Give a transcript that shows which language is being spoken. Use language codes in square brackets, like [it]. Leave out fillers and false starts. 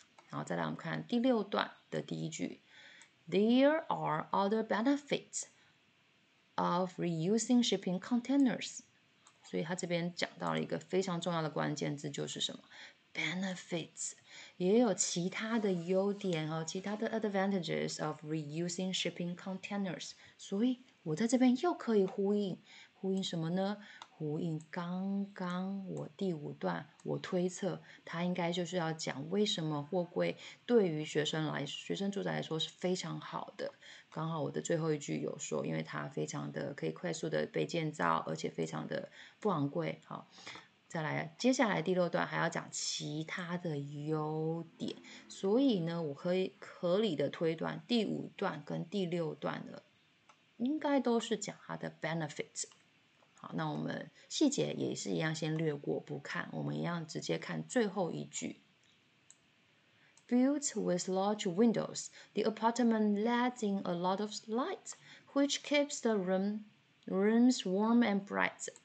[zh] 好，再来我们看第六段的第一句。 [en] There are other benefits of reusing shipping containers。 [zh] 所以他这边讲到了一个非常重要的关键字，就是什么 benefits， 也有其他的优点哦，其他的 [en] advantages of reusing shipping containers。 [zh] 所以我在这边又可以呼应什么呢？呼应刚刚我第五段，我推测他应该就是要讲为什么货柜对于学生住宅来说是非常好的。刚好我的最后一句有说，因为它非常的可以快速的被建造，而且非常的不昂贵。好，再来，接下来第六段还要讲其他的优点，所以呢，我可以合理的推断第五段跟第六段的应该都是讲它的 benefits。好，那我们细节也是一样先略过不看，我们一样直接看最后一句。 [en] Built with large windows, the apartment lets in a lot of light, which keeps the rooms warm and bright.